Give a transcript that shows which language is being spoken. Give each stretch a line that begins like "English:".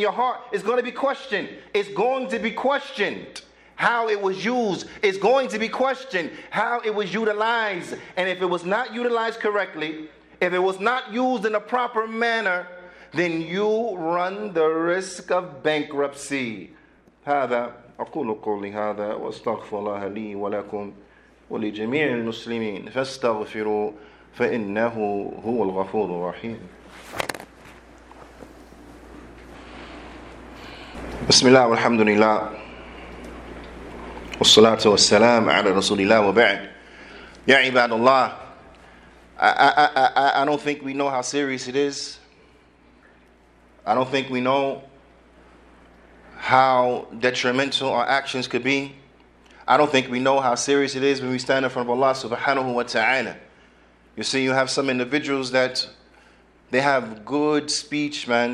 English: Your heart is going to be questioned. It's going to be questioned how it was used. It's going to be questioned how it was utilized. And if it was not utilized correctly, If it was not used in a proper manner, then you run the risk of bankruptcy.
Arabic: هذا أقول قولي هذا واستغفر الله لي ولكم ولجميع المسلمين فاستغفروا فإنه هو الغفور الرحيم. بسم الله والحمد لله والصلاة والسلام على رسول الله وبعد يا عباد الله.
English: I don't think we know how serious it is. I don't think we know how detrimental our actions could be. I don't think we know how serious it is when we stand in front of Allah subhanahu wa ta'ala. You see, you have some individuals that they have good speech, man.